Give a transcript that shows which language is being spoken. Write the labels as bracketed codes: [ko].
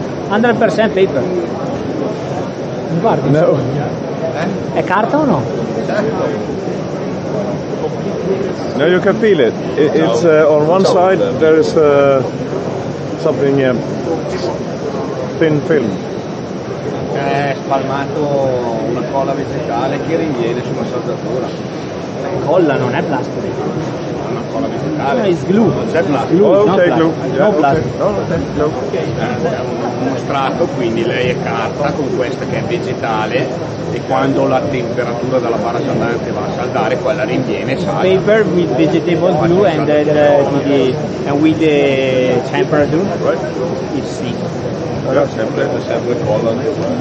[en] 100% paper. [it] Guardi. [en] No. [it] È carta o no? Certo. [en] No, you can feel it. It's on one side, there is something thin film. [it] Spalmato una colla vegetale che rinviene sulla saldatura. Colla non è plastica. È una colla vegetale. No, è [en] glue. [it] C'è plastica. [en] Oh, ok, no plastic. Glue. Yeah, no okay. [it] Plastica. [en] No, okay. Okay. [it] Uno strato, quindi lei è carta con questa che è vegetale e quando la temperatura della barra saldante va a saldare, quella rinviene e sale. [en] Paper with vegetable glue and then with the temperature. Right. It's sick. Yeah, [it] sempre colla nel